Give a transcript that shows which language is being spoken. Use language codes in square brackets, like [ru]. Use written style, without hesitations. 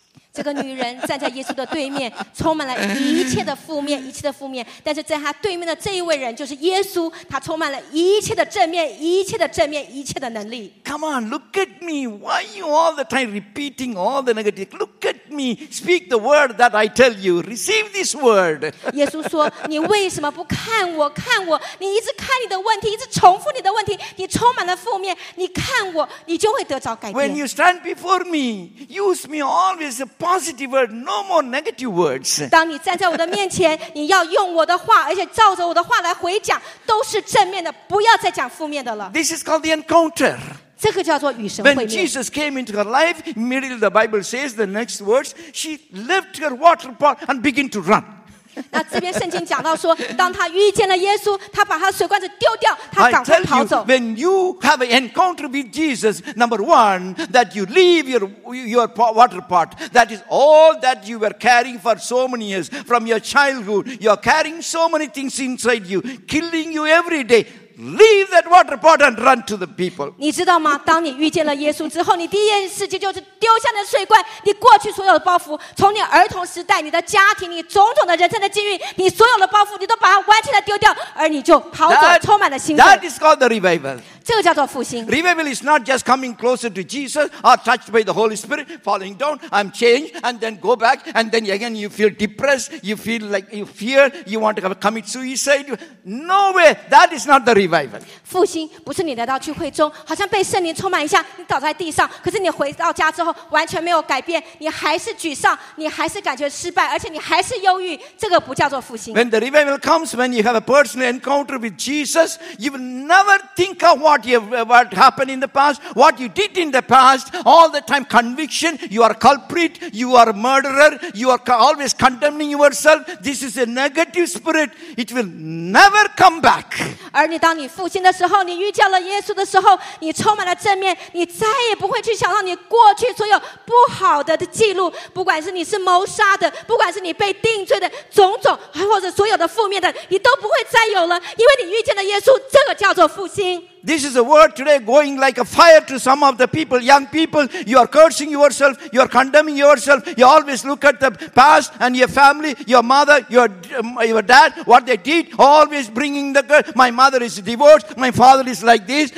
[zh] 这个女人站在耶稣的对面，充满了一切的负面，但是在她对面的这一位人就是耶稣，她充满了一切的正面，一切的能力。 [en] Come on, look at me. Why are you all the time repeating all the negative? Look at me. Speak the word that I tell you. Receive this word. [zh] 耶稣说，你为什么不看我？看我，你一直看你的问题，一直重复你的问题。你充满了负面，你看我，你就会得着改变。 [en] When you stand before me, use me always a positive word, no more negative words. [zh] 当你站在我的面前，你要用我的话，而且照着我的话来回讲，都是正面的，不要再讲负面的了。 [en] This is called the encounter. [zh] 这个叫做与神会面。 [en] When Jesus came into her life, immediately the Bible says the next words, she left her water pot and began to run. [zh] 那这边圣经讲到说，当她遇见了耶稣，她把她水罐子丢掉，她赶快跑走。 [en] I tell you, when you have an encounter with Jesus, number one, that you leave your water pot, that is all that you were carrying for so many years, from your childhood, you are carrying so many things inside you, killing you every day. Leave that water pot and run to the people. [zh] 你知道吗？当你遇见了耶稣之后，你第一件事情就是丢下了水罐，你过去所有的包袱，从你儿童时代、你的家庭、你种种的人生的境遇，你所有的包袱，你都把它完全的丢掉，而你就跑走，充满了兴奋。 [en] That is called the revival. [zh] 这个叫做复兴。 [en] Revival is not just coming closer to Jesus or touched by the Holy Spirit, falling down, I'm changed, and then go back, and then again you feel depressed, you feel like you fear, you want to commit suicide. No way. That is not the revival. [zh] 复兴不是你来到聚会中好像被圣灵充满一下你倒在地上可是你回到家之后完全没有改变你还是沮丧你还是感觉失败而且你还是忧郁这个不叫做复兴 [en] When the revival comes when you have a personal encounter with Jesus you will never think of what happened in the past what you did in the past all the time conviction you are a culprit you are a murderer you are always condemning yourself this is a negative spirit it will never come back [zh] 而你当你复兴的时候你遇见了耶稣的时候你充满了正面你再也不会去想到你过去所有不好的记录不管是你是谋杀的不管是你被定罪的种种或者所有的负面的你都不会再有了因为你遇见了耶稣这个叫做复兴 [en] This is a word today going like a fire to some of the people, young people. You are cursing yourself. You are condemning yourself. You always look at the past and your family, your mother, your dad, what they did. Always bringing the curse. My mother is divorced. My father is like this.